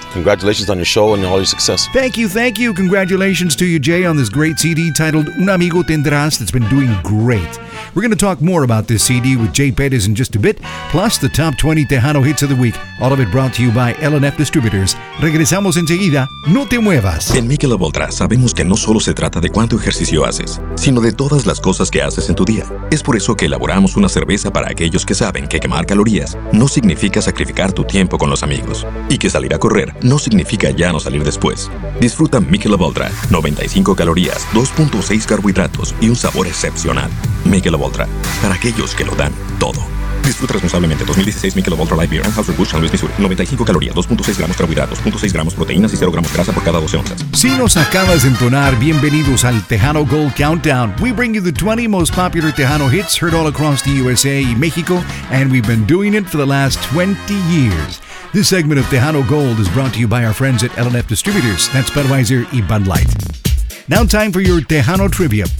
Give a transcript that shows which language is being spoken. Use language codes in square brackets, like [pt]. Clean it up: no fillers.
[en] Congratulations on your show and all your success. Thank you. Congratulations to you, Jay, on this great CD titled Un Amigo Tendrás that's been doing great. We're going to talk more about this CD with Jay Perez in just a bit, plus the top 20 Tejano hits of the week, all of it brought to you by L&F Distributors. [es] Regresamos enseguida. No te muevas. En Michelob Ultra sabemos que no solo se trata de cuánto ejercicio haces, sino de todas las cosas que haces en tu día. Es por eso que elaboramos una cerveza para aquellos que saben que quemar calorías no significa sacrificar tu tiempo con los amigos, y que salir a correr no significa ya no salir después. Disfruta Michelob Ultra. 95 calorías, 2.6 carbohidratos y un sabor excepcional. Michelob Ultra, para aquellos que lo dan todo. Disfruta responsablemente. 2016 Michelob Ultra Light Beer, Anheuser-Busch, San Luis, Missouri. 95 calorías, 2.6 gramos carbohidratos, 0.6 gramos proteínas y 0 gramos grasa por cada 12 onzas. Si nos acabas de entonar, bienvenidos al Tejano Gold Countdown. [en] We bring you the 20 most popular Tejano hits heard all across the USA y México, and we've been doing it for the last 20 years. This segment of Tejano Gold is brought to you by our friends at L&F Distributors. That's Budweiser y Bud Light. Now time for your Tejano trivia.